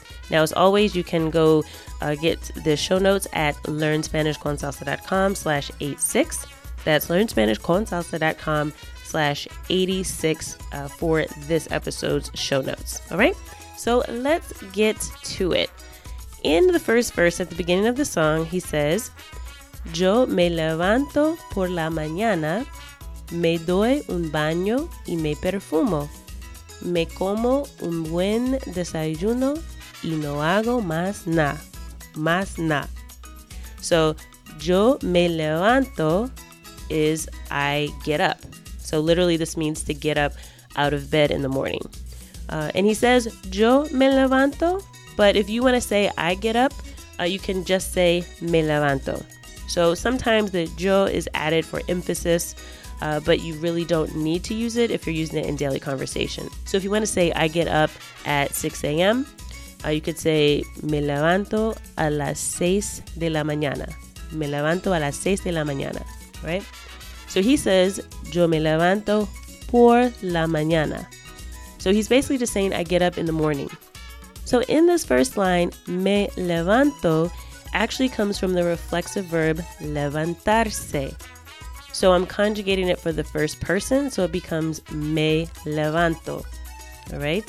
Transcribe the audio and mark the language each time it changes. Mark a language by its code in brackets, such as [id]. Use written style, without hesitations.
[en] Now, as always, you can go get the show notes at learnspanishconsalsa.com/86. That's learnspanishconsalsa.com/86 for this episode's show notes. All right, so let's get to it. In the first verse at the beginning of the song, he says, [es] yo me levanto por la mañana, me doy un baño y me perfumo, me como un buen desayuno, y no hago más na, más na. [en] So, [es] yo me levanto [en] is I get up. So literally this means to get up out of bed in the morning. And he says, [es] yo me levanto. [en] But if you want to say I get up, you can just say [es] me levanto. [en] So sometimes the yo is added for emphasis, but you really don't need to use it if you're using it in daily conversation. So if you want to say I get up at 6 a.m., you could say, [es] me levanto a las 6 de la mañana. Me levanto a las 6 de la mañana, right? [en] So he says, [es] yo me levanto por la mañana. [en] So he's basically just saying, I get up in the morning. So in this first line, [es] me levanto [en] actually comes from the reflexive verb levantarse. So I'm conjugating it for the first person, so it becomes [es] me levanto, [en] all right?